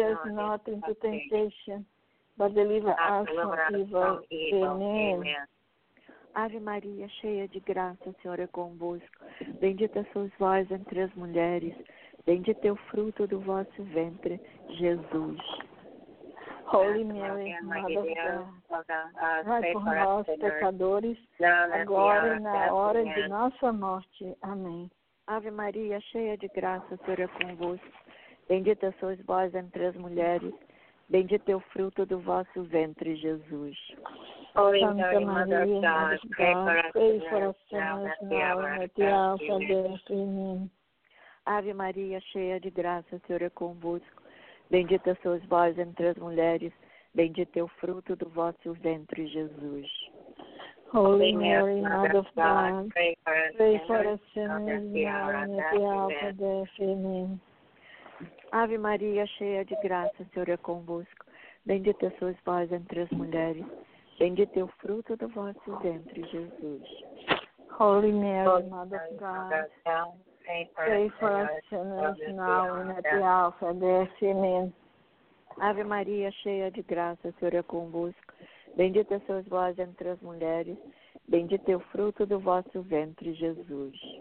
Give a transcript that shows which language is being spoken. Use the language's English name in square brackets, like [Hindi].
[English] us not into temptation, but deliver us from evil. Amen. [Portuguese] Ave Maria, cheia de graça, o Senhor é convosco. Bendita sois vós entre as mulheres. Bendito é o fruto do vosso ventre, Jesus. [English] Holy Mary, Mother of God, pray for us [Portuguese] pecadores, agora e na hora de nossa morte. Amém. Ave Maria, cheia de graça, o Senhor é convosco. Bendita sois vós entre as mulheres, bendito é o fruto do vosso ventre, Jesus. [English] Holy [Portuguese] Santa Maria, [English] Mother of God, pray for us sinners now and at the hour of our death. Amen. [Portuguese] Ave Maria, cheia de graça, o Senhor é convosco. Bendita sois vós entre as mulheres, bendito é o fruto do vosso ventre, Jesus. [English] Holy Mary, Mother of God, pray for us sinners now and at the hour of death. Amen. [Portuguese] Ave Maria, cheia de graça, o Senhor é convosco. Bendita sois vós entre as mulheres. Bendito é o fruto do vosso ventre, Jesus. [English] Holy Mary, Mother of God, pray for us sinners now and at the hour of death. Amen. [Portuguese] Ave Maria, cheia de graça, o Senhor é convosco. Bendita sois vós entre as mulheres. Bendito é o fruto do vosso ventre, Jesus.